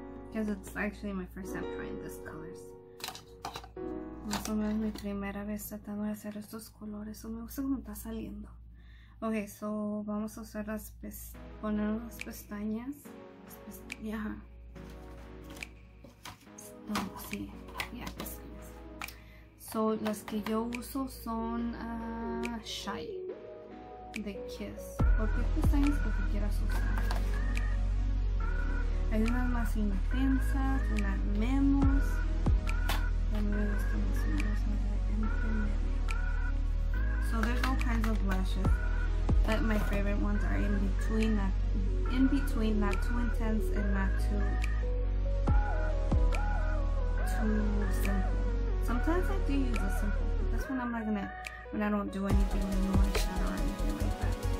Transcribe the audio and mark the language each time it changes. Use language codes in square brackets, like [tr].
[en] Because it's actually my first time trying these colors. [es] Más o menos mi primera vez tratando de hacer estos colores. Me gusta cómo está saliendo. Ok, so vamos a usar las poner las pestañas. Yeah. No, sí. Yeah, pestañas. So las que yo uso son Shy de Kiss. ¿Por qué pestañas que tú quieras usar? Hay unas más intensas, unas menos. A mí me gustan más o menos intermedio. [en] So there's all kinds of lashes. But my favorite ones are in between, not too intense and not too simple. Sometimes I do use a simple, but that's when I'm not gonna, when I don't do anything with my shadow or anything like that.